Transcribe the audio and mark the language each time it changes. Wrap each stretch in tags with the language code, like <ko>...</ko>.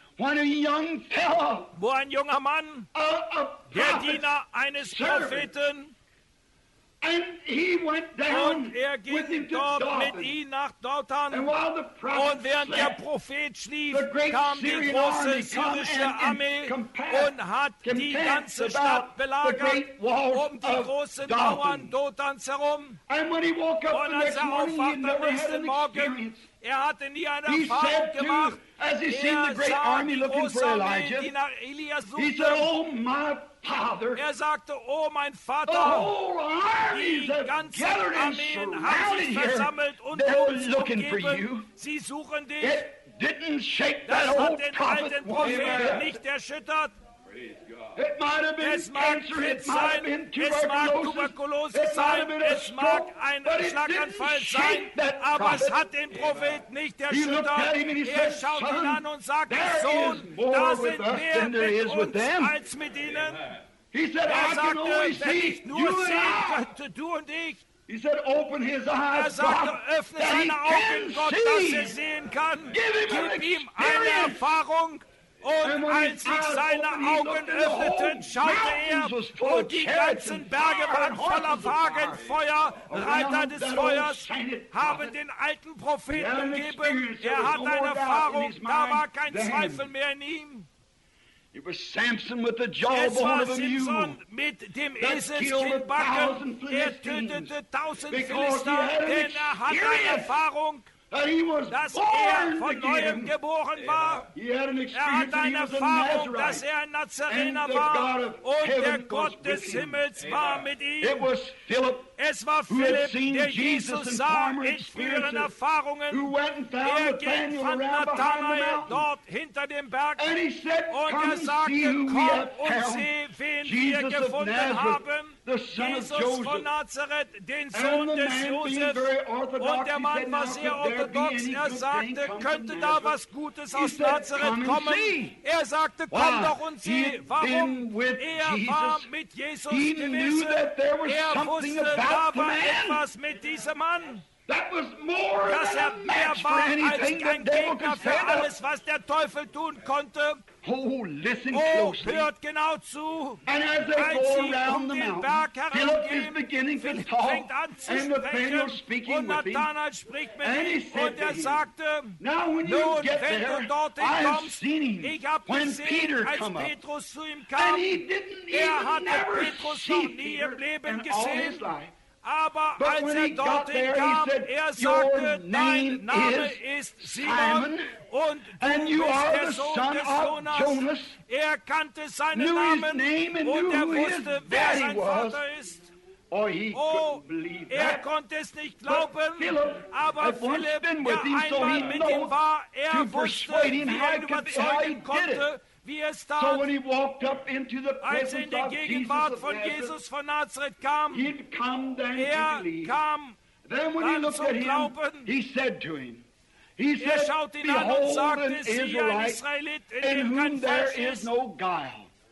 <de>wo ein junger Mann, der Diener eines Propheten, und er ging dort mit ihm nach Dothan, und während der Prophet schlief, kam die große syrische Armee und hat die ganze Stadt belagert, um die großen Mauern Dothans herum. Und als er aufwachte am nächsten Morgen, er hatte nie eine Erfahrung gemacht.</de> <en>As he seen the great army looking for Elijah, he said, "Oh my father!"</en> <de>Er sagte, "Oh mein Vater!"</de> <en>The whole army is gathered and surrounded here. They're looking for you.</en> <de>Sie suchen dich.</de> <en>It didn't shake that old prophet</en> <de>nicht erschüttert.</de> <en>It might have been cancer, it might have been tuberculosis,</en> <de>es mag ein Schlaganfall sein, aber es hat den Prophet nicht erschüttert. Er schaut ihn an und sagt, Sohn, da sind mehr mit uns als mit ihnen. Er sagte, wenn ich nur sehen könnte, du und ich,</de> <en>he said, open his eyes,</en> <de>er sagte, öffne seine Augen, Gott, dass er sehen kann. Gib ihm eine Erfahrung. Und als sich seine Augen öffneten, schaute er, und die ganzen Berge waren voller Wagen, Feuer, Reiter des Feuers, haben den alten Propheten umgeben. Er hat eine Erfahrung, da war kein Zweifel mehr in ihm.</de> <en>It was Samson with the jawbone of a mule that killed 1,000 Philistines, because he had an experience. That he was</en> <de>dass</de> <en>born</en> <de>von</de> <en>again.</en> <de>Neuem geboren war. Er hat eine Erfahrung, dass er ein Nazarener war, und der Gott des Himmels war mit ihm.</de> <en>It was Philip,</en> <de>es war Philipp, der Jesus sah in früheren Erfahrungen. Er ging von Nathanael dort hinter dem Berg,</de> <en>and he said,</en> <de>und er sagte, komm und seh, wen wir gefunden haben. Jesus von Nazareth, den Sohn des Josef. Und der Mann war sehr orthodox. Er sagte, könnte da was Gutes aus Nazareth kommen? Er sagte, komm doch und sieh. Warum? Er war mit Jesus gewesen. Er wusste, da war etwas mit diesem Mann. Dass er mehr war als ein Gegner für alles, was der Teufel tun konnte.</de> <en>Oh, listen closely.</en> <de>Hört genau zu.</de> <en>And as they go around the mountain, Philip is beginning to talk, and Nathanael speaking with him. And he said to him,</en> <de>und er sagte,</de> <en>now when you get there, I have seen him when Peter come up. And he didn't even ever see Peter in all his life.</en> <de>Aber als er dorthin kam, er sagte, dein Name ist Simon, und du bist der Sohn des Jonas. Er kannte seinen Namen, und er wusste, wer sein Vater ist. Oh, er konnte es nicht glauben, aber Philipp, der einmal mit ihm war, er wusste, wie er ihn überzeugen konnte.</de> <en>So when he walked up into the presence of Jesus of Nazareth, he'd come then to believe. Then when he looked at him, he said to him, he said, behold an Israelite in whom there is no guile.</en>